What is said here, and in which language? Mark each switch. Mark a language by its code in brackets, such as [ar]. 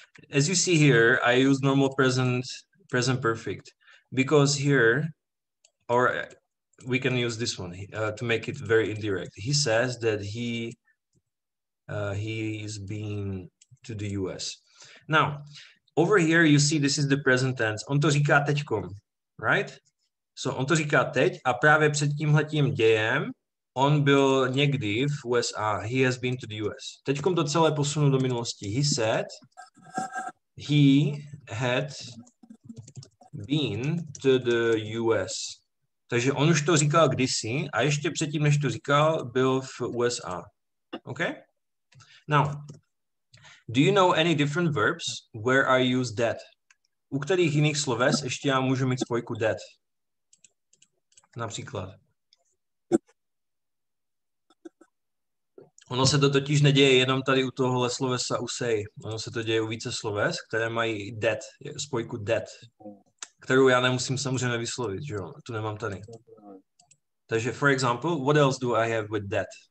[en] As you see here, I use normal present perfect because here, or we can use this one to make it very indirect. He says that he is being to the US. Now, over here, you see this is the present tense. [cs] On to říká teďkom, [en] right? [cs] So on to říká teď a právě před tímhletím dějem on byl někdy v USA. [en] He has been to the US. [cs] Teďkom to celé posunu do minulosti. [en] He said he had been to the US. [cs] Takže on už to říkal kdysi a ještě předtím, než to říkal, byl v USA. [en] Okay? Now, do you know any different verbs where I use that? [cs] U kterých jiných sloves ještě já můžu mít spojku that? Například. Ono se to totiž neděje jenom tady u tohohle slovesa u say. Ono se to děje u více sloves, které mají that, spojku that, kterou já nemusím samozřejmě vyslovit, že jo? Tu nemám tady. Takže [en] for example, what else do I have with that?